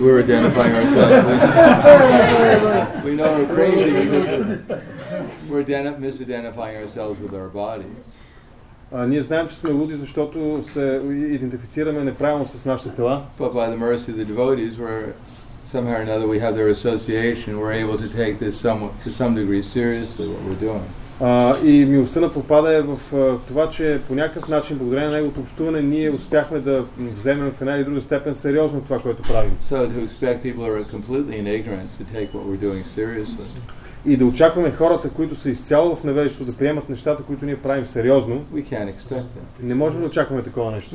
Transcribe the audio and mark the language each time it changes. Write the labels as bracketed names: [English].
[English] We're identifying ourselves. We know we're crazy. We're misidentifying ourselves with our bodies. [Bulgarian] Ние знаем, че сме луди, защото се идентифицираме неправилно с нашите тела. [English] But by the mercy of the devotees, we're somehow or another we have their association. We're able to take this somewhat, to some degree, seriously what we're doing. [Bulgarian] И милостта на Пропада е в това, че по някакъв начин, благодарение на неговото общуване, ние успяхме да вземем в една или друга степен сериозно това, което правим. [English] So to expect people are completely in ignorance to take what we're doing seriously. [Bulgarian] И да очакваме хората, които са изцяло в невежество, да приемат нещата, които ние правим сериозно. [English] We can't expect that. [Bulgarian] Не можем да очакваме такова нещо.